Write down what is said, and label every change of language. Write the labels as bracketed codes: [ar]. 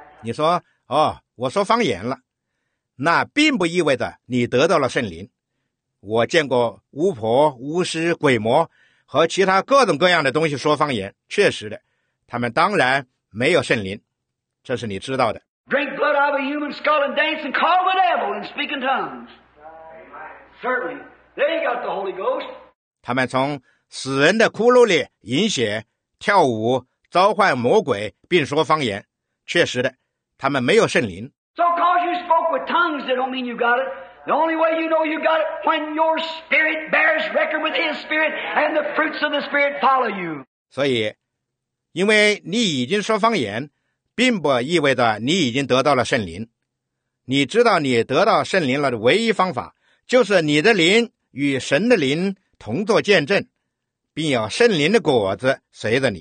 [zh] 你说，哦，我说方言了。那并不意味着你得到了圣灵。我见过巫婆、巫师、鬼魔和其他各种各样的东西说方言，确实的，他们当然没有圣灵，这是你知道的。 [en] Drink blood out of a human skull and dance and call the devil and speak in tongues. Certainly, they got the Holy Ghost. [zh] 他们从死人的窟窿里饮血、跳舞、召唤魔鬼并说方言，确实的，他们没有圣灵。 [en] Tongues, they don't mean you got it. The only way you know you got it when your spirit bears record with His spirit, and the fruits of the spirit follow you. [zh] 所以，因为你已经说方言，并不意味着你已经得到了圣灵。你知道你得到圣灵了的唯一方法，就是你的灵与神的灵同作见证，并有圣灵的果子随着你。